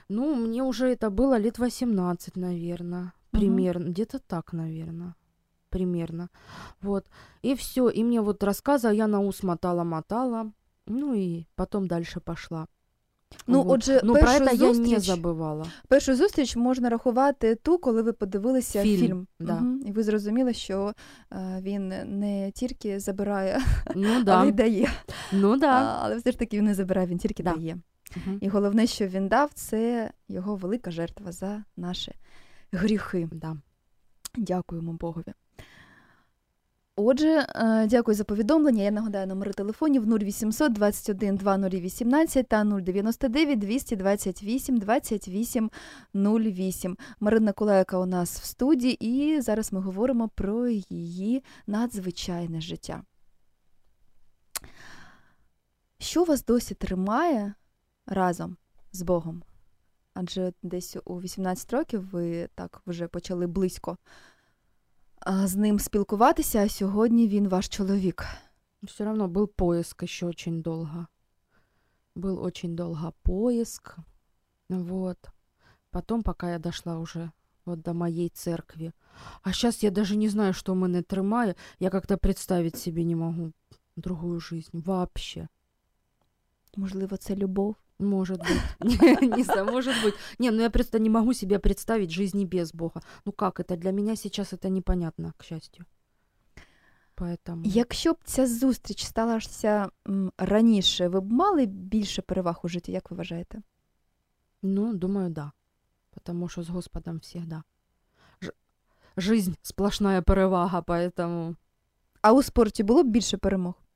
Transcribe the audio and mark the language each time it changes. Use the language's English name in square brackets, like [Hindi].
[Russian] Ну, мне уже это было лет 18, наверное, примерно, угу. Где-то так, наверное. Примерно. Вот. И все. И мне вот рассказывала, я на ус мотала-мотала, ну и потом дальше пошла. Ну, вот. Отже, ну, про это я не забывала. [Ukrainian] Першу зустріч можна рахувати ту, коли ви подивилися фільм. [Russian] Да. Угу. [Ukrainian] І ви зрозуміли, що він не тільки забирає, ну, да. Але й дає. [Russian] Ну, да. [Ukrainian] Але все ж таки він не забирає, він тільки да. дає. Угу. І головне, що він дав, це його велика жертва за наші гріхи. [Russian] Да. [Ukrainian] Дякуємо Богові. Отже, дякую за повідомлення. Я нагадаю, номери телефонів 0800 21 2018 та 099 228 2808. Марина Кулека у нас в студії, і зараз ми говоримо про її надзвичайне життя. Що вас досі тримає разом з Богом? Адже десь у 18 років ви так вже почали близько с ним спілкуватися, а сьогодні він ваш чоловік. [Russian] Все равно был поиск еще очень долго. Был очень долго поиск. Вот. Потом, пока я дошла уже вот до моей церкви. А сейчас я даже не знаю, что мене тримає. Я как-то представить себе не могу другую жизнь вообще. [Ukrainian] Можливо, це любов? [Russian] Может быть. Не знаю, может быть. Не, ну я просто не могу себе представить жизни без Бога. Ну как это? Для меня сейчас это непонятно, к счастью. Поэтому... [Ukrainian] Якщо б ця зустріч сталася раніше, ви б мали більше переваг у житті, як ви вважаєте? [Russian] Ну, думаю, да. Потому що з Господом всегда. Жизнь сплошная перевага, поэтому... [Ukrainian] А у спорті було б більше перемог?